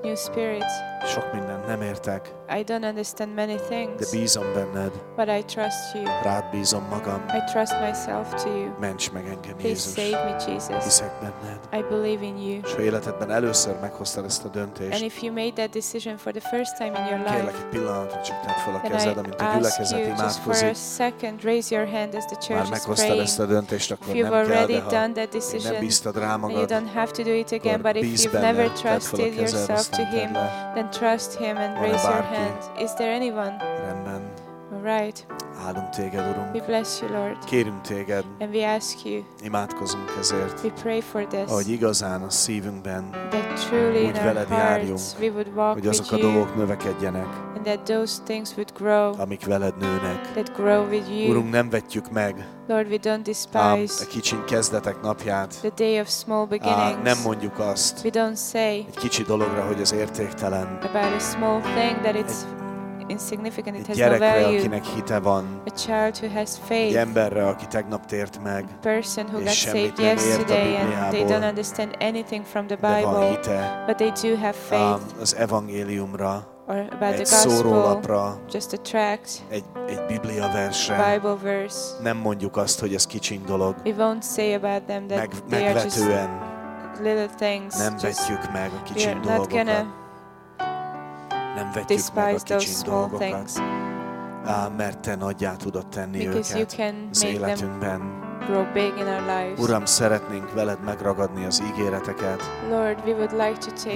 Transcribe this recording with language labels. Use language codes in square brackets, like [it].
[en] new spirit. [hu] Sok mindent nem értek, [en] I don't understand many things, [hu] de bízom benned, [en] but I trust you. [hu] Rád bízom magam, [en] I trust myself to you. [hu] Ments meg engem, [en] please, [hu] Jézus, [en] save me, Jesus. [hu] Hiszek benned, [en] I believe in you. [hu] És ha életedben először meghoztad ezt a döntést, [en] and if you made that decision for the first time in your life, [hu] kérlek egy pillanatra csak tedd fel a kezed, amint a gyülekezet imádkozik, [en] just for a second raise your hand as the church. [hu] Már meghoztad ezt a döntést, akkor nem kell, de ha nem bíztad rá magad, [en] you don't have to do it again, but if you've never trusted yourself to him, then trust him and raise your hand. Is there anyone? [hu] Rendben. [en] All right. [hu] Áldunk téged, Urunk. [en] We bless you, Lord. [hu] Kérünk téged. [en] And we ask you. [hu] Imádkozunk ezért. [en] We pray for this. [hu] Hogy igazán a szívünkben, [en] that truly [hu] úgy veled járjunk, [en] we would walk, [hu] hogy azok a dolgok növekedjenek, [en] and that those things would grow, [hu] amik veled nőnek, [en] that grow with you. [hu] Urunk, nem vetjük meg, [en] Lord, we don't despise, [hu] a kicsi kezdetek napját, [en] the day of small beginnings. [hu] Nem mondjuk azt, [en] we don't say, [hu] egy kicsi dologra, hogy ez értéktelen, [en] about a small thing, that it's insignificant, it has [hu] gyerekre, [en] no value. [hu] Akinek hite van, [en] a child who has faith, [hu] egy emberre, aki tegnap tért meg, [en] a person who [hu] és [en] got [hu] semmit [en] saved [hu] nem ért [en] yesterday, [hu] a Bibliából, [en] and they don't understand anything from the Bible, [hu] hite, [en] but they do have faith, [hu] az evangéliumra, [en] or about [hu] egy [en] the gospel, [hu] szórólapra, [en] just a tract, [hu] egy Biblia versre, [en] a Bible verse. [hu] Nem mondjuk azt, hogy ez kicsiny dolog, [en] we won't say about them that they are just little things, [hu] nem vetjük meg a kicsiny dolgokat. Nem vetjük [en] despise [hu] meg a kicsi dolgokat, [en] things, [hu] mert te nagyjá tudod tenni [en] because [hu] őket [en] you can [hu] az életünkben. [en] Grow big in our lives. [hu] Uram, szeretnénk veled megragadni az ígéreteket, [en] Lord, we would like to take